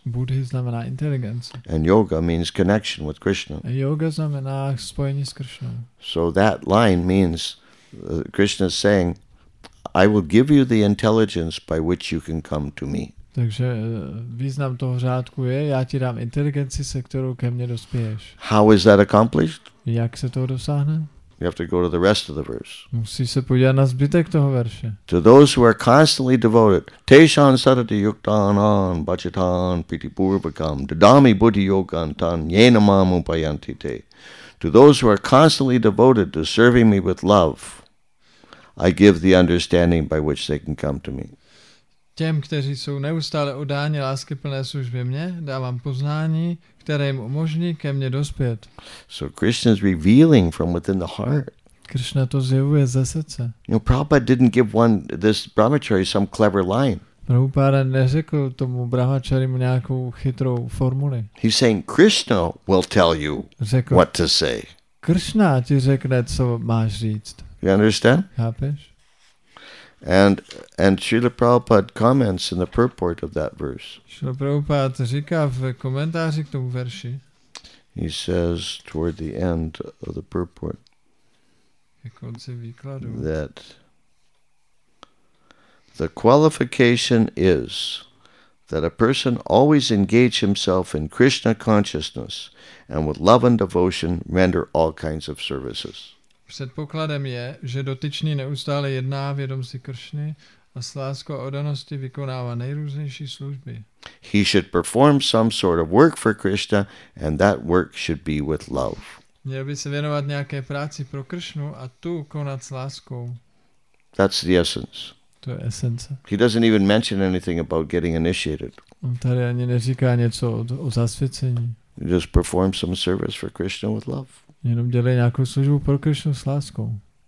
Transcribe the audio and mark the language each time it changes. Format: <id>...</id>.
<cs>Bhuti znamená inteligence.</cs> <en>And yoga means connection with Krishna.</en> <cs>A yoga znamená spojení s Krishnou.</cs> <en>So that line means Krishna is saying, I will give you the intelligence by which you can come to me.</en> <cs>Takže význam toho řádku je, já ti dám inteligenci, se kterou ke mně dospěješ.</cs> <en>How is that accomplished?</en> <cs>Jak se toho dosáhne?</cs> <en>You have to go to the rest of the verse.</en> <cs>Musí se podívat na zbytek toho verše.</cs> <en>To those who are constantly devoted,</en> <sa>teshan sadati yuktanan bhajatan piti purvakam dadami buddhi yogantan yenamamu payantite.</sa> <en>To those who are constantly devoted to serving me with love, I give the understanding by which they can come to me.</en> <cs>Těm, kteří jsou neustále udáni láskyplné službě mě, dávám poznání, které jim umožní ke mně dospět.</cs> <en>So Krishna is revealing from within the heart.</en> <cs>Krishna to zjevuje ze srdce.</cs> <en>You know, Prabhupada didn't give one this brahmachari some clever line.</en> <cs>Prabhupada neřekl tomu brahmacharimu nějakou chytrou formuli.</cs> <en>He's saying Krishna will tell you</en> <cs>řekl,</cs> <en>what to say.</en> <cs>Krishna ti řekne, co máš říct.</cs> <en>You understand?</en> <cs>Chápeš?</cs> <en>And Srila Prabhupada comments in the purport of that verse.</en> <cs>Srila Prabhupada říká v komentáři k tomu verši.</cs> <en>He says toward the end of the purport that the qualification is that a person always engage himself in Krishna consciousness and with love and devotion render all kinds of services.</en> <cs>Předpokladem je, že dotyčný neustále jedná vědom si Kršny a s láskou a odaností vykonává nejrůznější služby.</cs> <en>He should perform some sort of work for Krishna and that work should be with love.</en> <cs>Měl by se věnovat nějaké práci pro Kršnu a tu konat s láskou.</cs> <en>That's the essence.</en> <cs>To je esence.</cs> <en>He doesn't even mention anything about getting initiated.</en> <cs>On tady ani neříká něco o zasvěcení.</cs> <en>He just performs some service for Krishna with love.</en> <cs>Jenom dělej nějakou službu pro Krishnu s láskou.</cs>